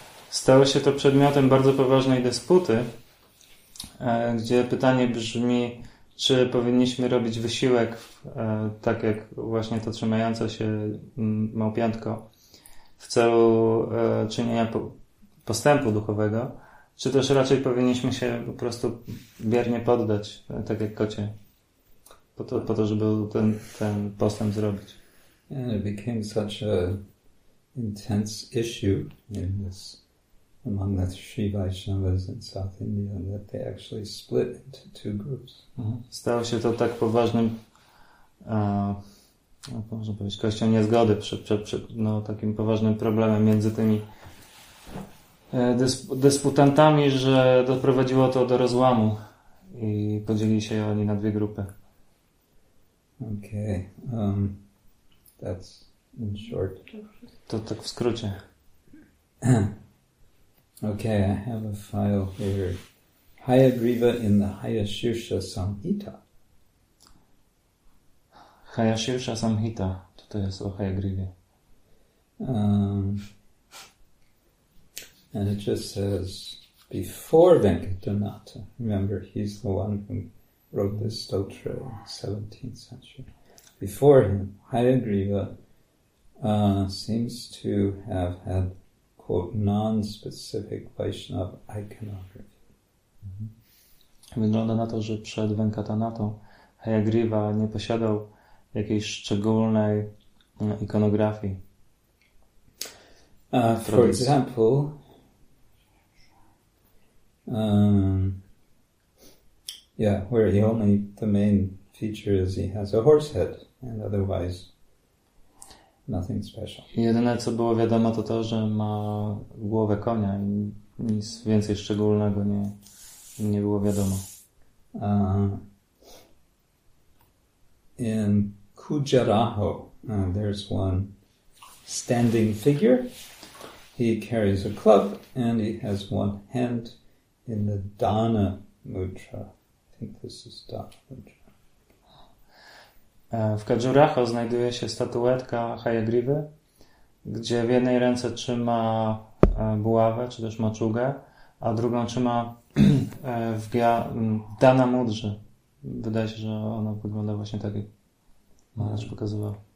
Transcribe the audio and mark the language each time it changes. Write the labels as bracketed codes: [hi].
[pl] Stało się to przedmiotem bardzo poważnej dysputy, gdzie pytanie brzmi, czy powinniśmy robić wysiłek, tak jak właśnie to trzymające się małpiątko, w celu czynienia postępu duchowego, czy też raczej powinniśmy się po prostu biernie poddać, tak jak kocie, po to, żeby ten postęp zrobić. [en] And it became such an intense issue in this among the Sri Vaishnavas in South India that they actually split into two groups. [pl] Stało się to tak poważnym można powiedzieć, kwestią niezgody przed takim poważnym problemem między tymi dysputantami, że doprowadziło to do rozłamu i podzielili się oni na dwie grupy. [en] Okay. That's in short. [pl] To tak w skrócie. [en] Okay, I have a file here. Hayagriva in the Hayashirsha Samhita. Hayashirsha Samhita. [pl] Tutaj jest o Hayagrivie. [en] And it just says, before Venkatanata, remember, he's the one who wrote this stotra in the 17th century. Before him, Hayagriva seems to have had, quote, non-specific Vaishnava iconography. [pl] Wygląda na to, że przed Venkatanatą Hayagriva nie posiadał jakiejś szczególnej ikonografii. [en] For example, where he only the main feature is he has a horse head and otherwise nothing special. [pl] Jedyne co było wiadomo to to, że ma głowę konia i nic więcej szczególnego nie było wiadomo. [en] In Kujaraho, there's one standing figure. He carries a club and he has one hand in the Dana Mudra. I think this is Dana Mudra. [pl] W Kajuraho znajduje się statuetka Hayagriwy, gdzie w jednej ręce trzyma buławę, czy też maczugę, a drugą trzyma w Dhyana Mudrze. Wydaje się, że ona wygląda właśnie tak, jak Maharaj pokazywał.